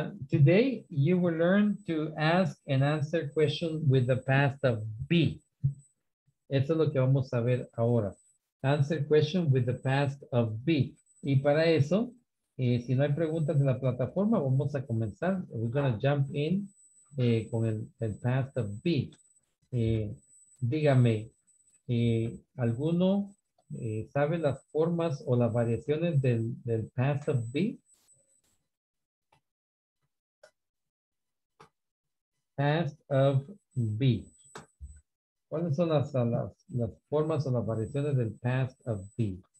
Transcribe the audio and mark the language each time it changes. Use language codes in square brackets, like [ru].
[en] Today you will learn to ask and answer questions with the past of be. [es] Eso es lo que vamos a ver ahora. [en] Answer questions with the past of be. [es] Y para eso, si no hay preguntas en la plataforma, vamos a comenzar. [en] We're going to jump in [es] con el [en] past of be. [es] Dígame, ¿alguno sabe las formas o las variaciones del past of be? Past of be. ¿Cuáles son las formas o las variaciones del past of be?